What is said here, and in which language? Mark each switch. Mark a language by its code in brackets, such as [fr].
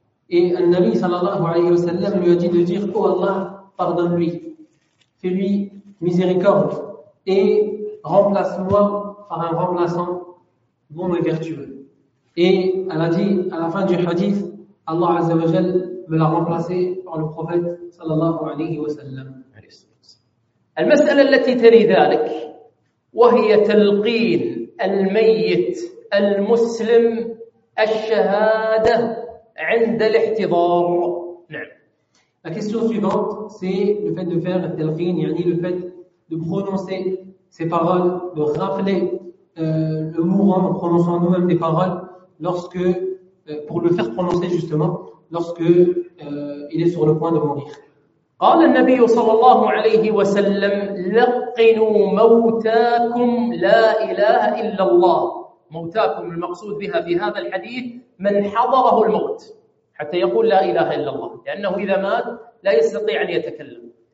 [fr] Et Al-Nabi sallallahu alayhi wa sallam lui a dit de dire, oh Allah, pardonne-lui, fais-lui miséricorde et remplace-moi par un remplaçant bon et vertueux. Et elle a dit à la fin du hadith, Allah Azza wa Jal me l'a remplacé par le prophète sallallahu alayhi wa sallam. [ar] المسألة التي تلي ذلك وهي تلقين الميت المسلم الشهادة عند الاحتضار. نعم. [fr] La question suivante, c'est le fait de faire التلقين, يعني le fait de prononcer ces paroles, de rappeler le mourant en prononçant nous-mêmes des paroles lorsque, pour le faire prononcer justement lorsque il est sur le point de mourir. [ar] قال النبي صلى الله عليه وسلم لقنوا موتاكم لا إله إلا الله موتاكم المقصود بها في هذا الحديث من حضره الموت حتى يقول لا إله إلا الله، لأنه إذا مات لا يستطيع أن يتكلم.